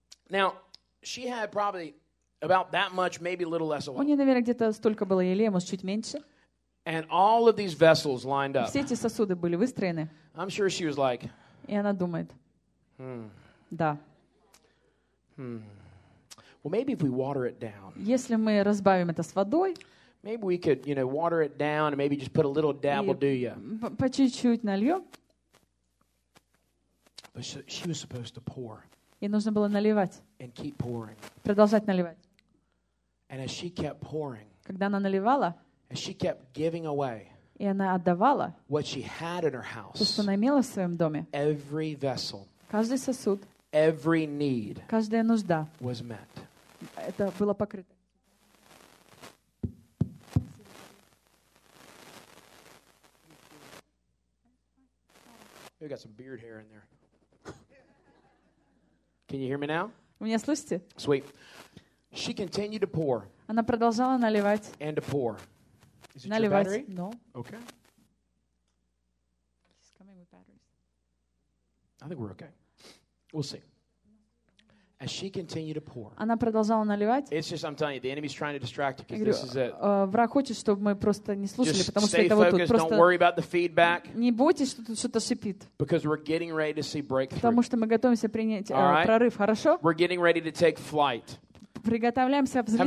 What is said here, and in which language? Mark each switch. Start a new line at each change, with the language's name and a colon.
English: Now, she had probably about that much, maybe a little less of oil.
Russian: У нее, наверное, где-то столько было елея, может, чуть меньше.
English: And all of these vessels lined up.
Russian: Все эти сосуды были выстроены.
English: I'm sure she was like.
Russian: И она думает. Да.
English: Well, maybe if we water it down.
Russian: Если мы разбавим это с водой.
English: Maybe we could, you know, water it down and maybe just put a little dabble, do ya?
Russian: По чуть-чуть нальем.
English: But she was supposed to pour.
Russian: Ей нужно было наливать.
English: And keep pouring.
Russian: Продолжать наливать.
English: And as she kept pouring,
Russian: когда она наливала,
English: as she kept giving away,
Russian: и она отдавала
English: what she had in her house,
Russian: то, что она имела в своем доме,
English: every vessel,
Russian: каждый сосуд,
English: every need,
Russian: каждая нужда
English: was met.
Russian: Это было покрыто.
English: We got some beard hair in there. Can you hear me now?
Russian: Вы меня слышите?
English: Sweet. She continued to pour.
Russian: Она продолжала наливать.
English: And to pour. Is it
Russian: наливать.
English: Your battery? No. Okay. She's coming with batteries. I think we're okay. We'll see. As she continued to pour.
Russian: Она продолжала наливать.
English: It's just, I'm telling you, the enemy's trying to distract you because this is it.
Russian: Враг хочет, чтобы мы просто не слушали,
English: just
Russian: потому что это вот тут.
English: Just don't worry about the feedback.
Russian: Не бойтесь, что тут что-то шипит.
English: Because we're getting ready to see breakthrough.
Russian: Потому что мы готовимся принять прорыв, хорошо?
English: We're getting ready to take flight.
Russian: Приготовляемся взлетать.